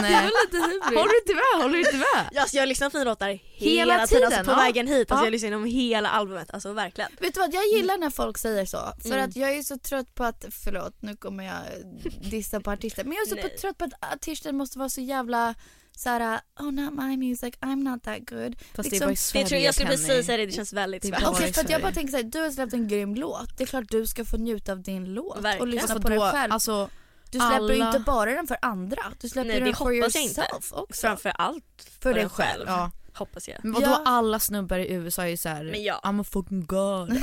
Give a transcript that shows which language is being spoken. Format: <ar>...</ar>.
<sv>håller du inte med? Håller du inte med? Alltså, jag lyssnar på fina låtar hela tiden. Alltså, på vägen hit. Alltså, jag lyssnar om hela albumet. Alltså, verkligen. Vet du vad? Jag gillar när folk säger så. För att jag är så trött på att... Förlåt, nu kommer jag dissa på artister. Men jag är så trött på att artister måste vara så jävla...</sv> <en>Såhär, oh not my music, I'm not that good.</en> <sv>Fast liksom, det är bara Sverige, jag skulle precis säga det, det känns väldigt svårt. Okay, för att jag bara tänker såhär, du har släppt en grym låt. Det är klart du ska få njuta av din låt. Verkligen. Och lyssna på dig själv. Alltså, du släpper ju inte bara den för andra. Du släpper den för yourself också. Framför allt för dig själv. Ja. Hoppas jag. Men vadå, alla snubbar i USA är ju såhär,</sv> <en>I'm a fucking god.</en>